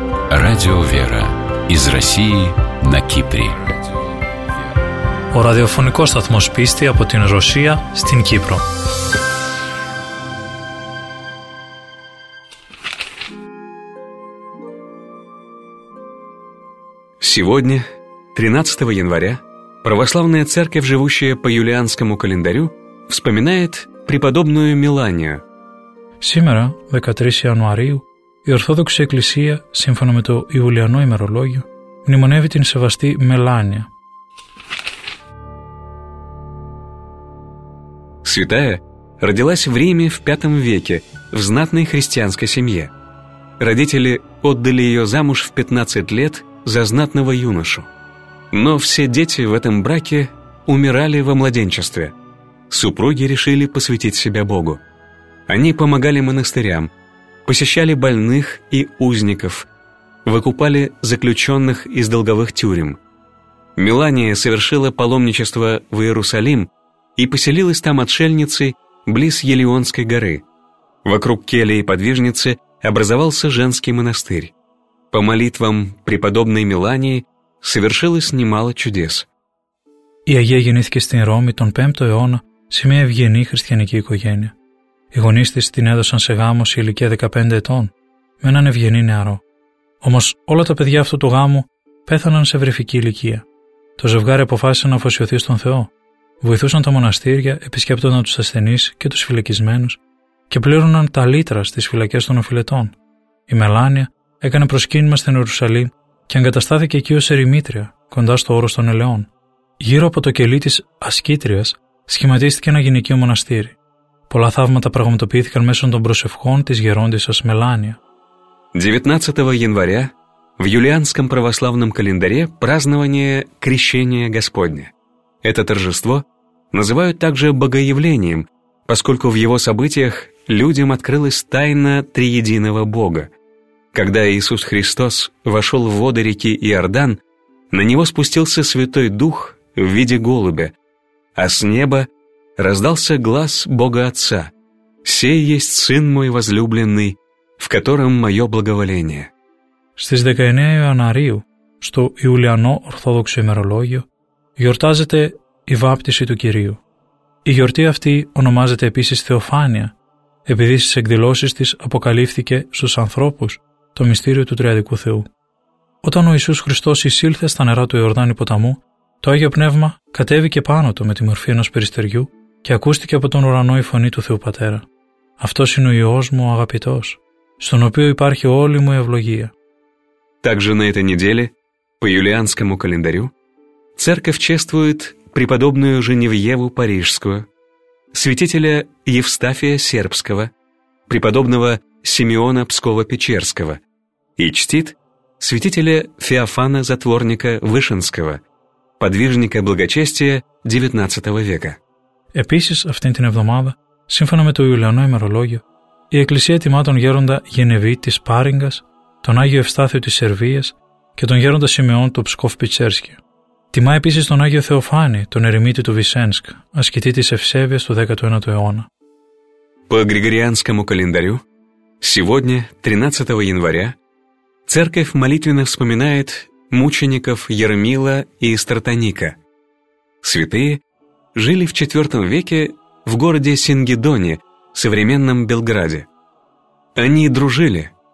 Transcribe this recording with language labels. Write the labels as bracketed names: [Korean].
[Russian] Радио «Вера» из России на Кипре. [Greek] Ο ραδιοφωνικός σταθμός πίστη από την Ρωσία στην Κύπρο. [Russian] Сегодня, 13 января, православная церковь, живущая по юлианскому календарю, вспоминает преподобную Меланию. Сегодня, 13 января, [Greek] η Ορθόδοξη Εκκλησία, σύμφωνα με το Ιουλιανό ημερολόγιο, μνημονεύει την σεβαστή Μελάνια. [Russian] Святая родилась в Риме в V веке в знатной христианской семье. Родители отдали ее замуж в 15 лет за знатного юношу. Но все дети в этом браке умирали во младенчестве. Супруги решили посвятить себя Богу. Они помогали монастырям, посещали больных и узников, выкупали заключенных из долговых тюрем. Мелания совершила паломничество в Иерусалим и поселилась там отшельницей близ Елеонской горы. Вокруг келии подвижницы образовался женский монастырь. По молитвам преподобной Мелании совершилось немало чудес. [Greek] Η Αγία γεννήθηκε στην Ρώμη τον 5ο αιώνα σε μια ευγενή χριστιανική οικογένεια. Οι γονείς της την έδωσαν σε γάμο σε ηλικία 15 ετών, με έναν ευγενή νεαρό. Όμως όλα τα παιδιά αυτού του γάμου πέθαναν σε βρυφική ηλικία. Το ζευγάρι αποφάσισε να αφοσιωθεί στον Θεό. Βοηθούσαν τα μοναστήρια, επισκέπτονταν τους ασθενείς και τους φυλακισμένους και πλήρωναν τα λίτρα στις φυλακές των οφειλετών. Η Μελάνια έκανε προσκύνημα στην Ιερουσαλήμ και εγκαταστάθηκε εκεί ως ερημήτρια, κοντά στο όρος των Ελαιών. Γύρω από το κελί της ασκήτριας σχηματίστηκε ένα γυναικείο μοναστήρι. Πολλά θαύματα πραγματοποιήθηκαν μέσω των προσευχών της γερόντισσας Μελάνια. [Russian] 19 января в юлианском православном календаре празднование Крещения Господня. Это торжество называют также Богоявлением, поскольку в его событиях людям открылась тайна Триединого Бога. Когда Иисус Христос вошел в воды реки Иордан, на него спустился Святой Дух в виде голубя, а с неба раздался глас Бога Отца: «Сей есть Сын мой возлюбленный, в котором мое благоволение». [Greek] Στις 19 Ιανουαρίου, στο Ιουλιανό Ορθόδοξο ημερολόγιο, γιορτάζεται η βάπτιση του Κυρίου. Η γιορτή αυτή ονομάζεται επίσης Θεοφάνεια, επειδή στις εκδηλώσεις της αποκαλύφθηκε στους ανθρώπους το μυστήριο του Τριαδικού Θεού. Όταν ο Ιησούς Χριστός εισήλθε στα νερά του Ιορδάνη ποταμού, το Άγιο Πνεύμα κατέβηκε πάνω του με τη μορφή ενός περιστεριού και ακούστηκε από τον ουρανό η φωνή του Θεού Πατέρα. Αυτός είναι ο Υιός μου ο αγαπητός, στον οποίο υπάρχει όλη μου η ευλογία. Также на этой неделе, по юлианскому календарю, церковь чествует преподобную Женевьеву Парижскую, святителя Евстафия Сербского, преподобного Симеона Псково-Печерского и чтит святителя Феофана Затворника Вышинского, подвижника благочестия XIX века. Επίσης, αυτήν την εβδομάδα, σύμφωνα με το Ιουλιανό ημερολόγιο, η Εκκλησία τιμά τον γέροντα Γενεβή της Πάριγκας, τον Άγιο Ευστάθιο της Σερβίας και τον γέροντα Σιμεών του Ψκόφ-Πιτσέρσκι. Τιμά επίσης τον Άγιο Θεοφάνη, τον ερημίτη του Βυσένσκ, ασκητή της Ευσέβειας του 19ου αιώνα. [Russian] По Григорианскому календарю, сегодня, 13 января, церковь молитвенно вспоминает мучеников Ермила и Стратоника. Святые жили в IV веке в городе Сингидоне, современном Белграде. Они дружили.